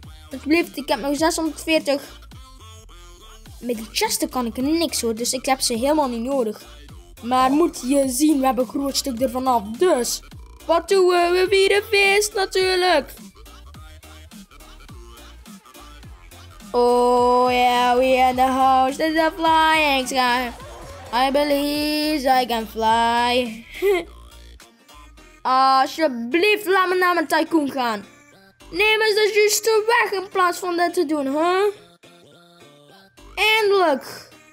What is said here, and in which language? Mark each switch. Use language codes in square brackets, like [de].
[nl] Alsjeblieft, ik heb nog 640. Met die chesten kan ik niks hoor. Dus ik heb ze helemaal niet nodig. Maar moet je zien, we hebben een groot stuk ervan af. Dus. Wat doen we? We vieren feest natuurlijk. [en] Oh yeah, we are the host of the flying sky. I believe I can fly. [nl] Alsjeblieft, laat me naar mijn tycoon gaan. Neem eens de juiste weg in plaats van dat te doen, huh? Eindelijk.